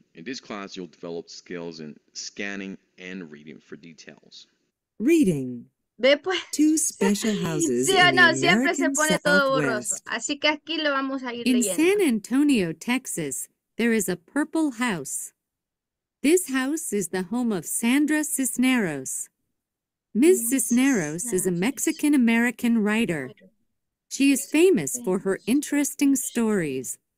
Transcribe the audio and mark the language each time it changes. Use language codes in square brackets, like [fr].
[en] In this class, you'll develop skills in scanning and reading for details. Reading. [es] Ve pues. [en] Two special houses. [es] Sí o no, siempre se pone todo borroso. Así que aquí lo vamos a ir leyendo. [en] In San Antonio, Texas, there is a purple house. This house is the home of Sandra Cisneros. Ms. Cisneros is a Mexican-American writer. She is famous for her interesting stories.